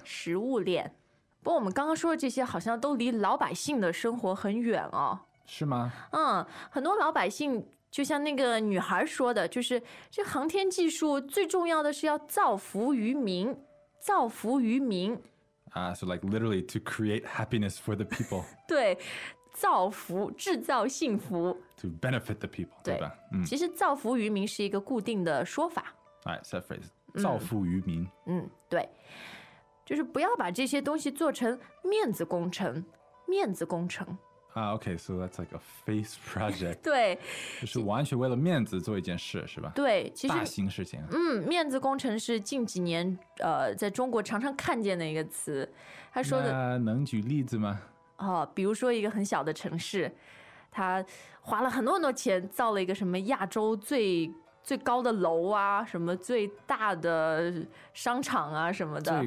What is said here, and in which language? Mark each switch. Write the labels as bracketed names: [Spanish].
[Chinese] 食物链。不过我们刚刚说的这些好像都离老百姓的生活很远哦，是吗？嗯，很多老百姓就像那个女孩说的，就是这航天技术最重要的是要造福于民，造福于民 [English] 啊、so like literally to create happiness for the people. [Chinese] 对。造福，制造幸福 [English] to benefit the people [Chinese] 对吧、嗯、其实造福于民是一个固定的说法。 [English] Alright, set phrase [Chinese] 造福于民。对，就是不要把这些东西做成面子工程。面子工程 [English] 啊、okay, so that's like a face project. [Chinese] 对，就是完全为了面子做一件事是吧？对，其实大型事情。嗯，面子工程是近几年、在中国常常看见的一个词。他说的，那能举例子吗？哦，比如说一个很小的城市，他花了很多很多钱造了一个什么亚洲最高的楼啊，什么最大的商场啊什么的，